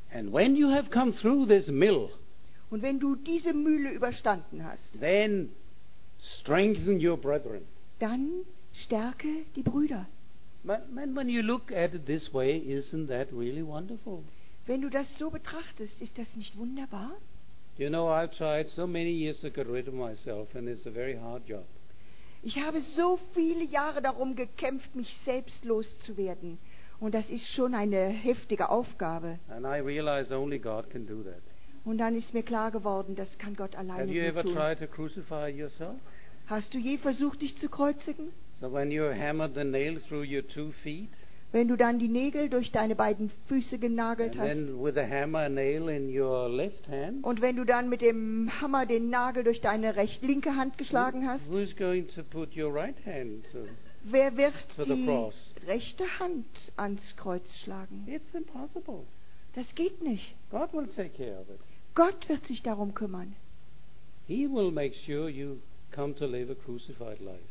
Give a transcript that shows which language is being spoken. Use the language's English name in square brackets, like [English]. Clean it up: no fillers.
[English] And when you have come through this mill, [German] und wenn du diese Mühle überstanden hast, [English] then strengthen your brethren. [German] Dann stärke die Brüder. [English] Man, when you look at it this way, isn't that really wonderful? [German] Wenn du das so betrachtest, ist das nicht wunderbar? [English] You know, I've tried so many years to get rid of myself, and it's a very hard job. [German] Ich habe so viele Jahre darum gekämpft, mich selbst loszuwerden, und das ist schon eine heftige Aufgabe. [English] And I realize only God can do that. [German] Und dann ist mir klar geworden, das kann Gott alleine tun. [English] Have you ever tried to crucify yourself? [German] Hast du je versucht, dich zu kreuzigen? [English] So when you hammer the nail through your two feet, [German] wenn du dann die Nägel durch deine beiden Füße genagelt [English] and [German] hast, [English] then with a hammer nail in your left hand, [German] und wenn du dann mit dem Hammer den Nagel durch deine linke Hand geschlagen hast, [English] who's going to put your right hand to, [German] wer wird [English] to the cross? [German] Die rechte Hand ans Kreuz schlagen? [English] It's impossible. [German] Das geht nicht. [English] God will take care of it. [German] Gott wird sich darum kümmern. [English] He will make sure you come to live a crucified life.